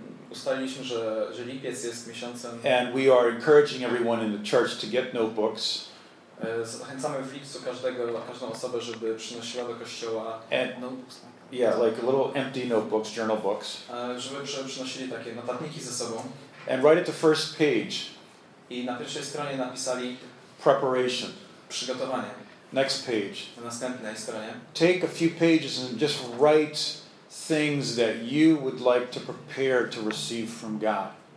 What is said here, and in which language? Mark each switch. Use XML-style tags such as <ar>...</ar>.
<pl>Ustaliliśmy, że lipiec jest miesiącem.</pl> <en>And we are encouraging everyone in the church to get notebooks.</en> <pl>Zachęcamy w lipcu każdą osobę, żeby przynosiła do kościoła notebooks.</pl> <en>Yeah, like little empty notebooks, journal books.</en> <pl>Żeby przynosili takie notatniki ze sobą.</pl> <en>And right at the first page.</en> <pl>I na pierwszej stronie napisali</pl> <en>preparation.</en> <pl>Przygotowanie.</pl> <en>Next page.</en> <pl>Na następnej stronie.</pl> <en>Take a few pages and just write things that you would like to prepare to receive from God.</en>